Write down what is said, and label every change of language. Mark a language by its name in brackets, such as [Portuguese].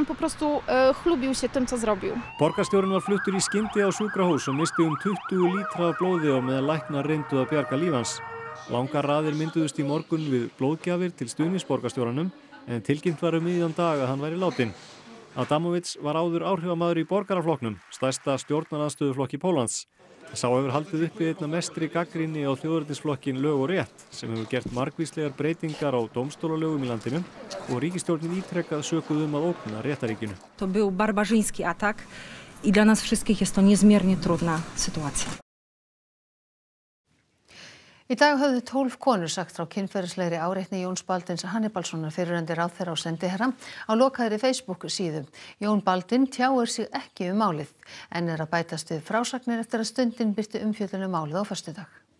[Polish] On po prostu chlubił się tym, co zrobił. [Icelandic] Borgarstjórinn var fluttur í skyndi á sjúkrahús og misti 20 lítra af blóði og meðan læknar reyndu að bjarga líf hans. Langar raðir mynduðust í morgun við blóðgjafir til stuðningsborgarstjóranum en tilkynnt var miðjan dag að hann væri látinn. Adamovic var áður áhrifamaður í borgaraflokknum, stærsta stjórnarandstöðuflokki Póllands. Sá hefur haldið uppi einna mestri gagnrýni á þjóðrættisflokkin lög og rétt sem hefur gert margvíslegar breytingar á dómstólalögum í landinu og ríkisstjórnin ítrekkað sökuð að ógna réttaríkinu. [Polish] To był barbarzyński atak i dla nas wszystkich jest to niezmiernie trudna sytuacja. [Icelandic] Í dag höfðu 12 konur sagt frá kynferðislegri áreitni Jóns Baldins Hannibalssonar fyrirrendi ráðherra og sendiherra á lokaðri Facebook síðu. Jón Baldin tjáir sig ekki málið, en að bætast við frásagnir eftir að stundin byrti umfjöllunum málið á föstudag.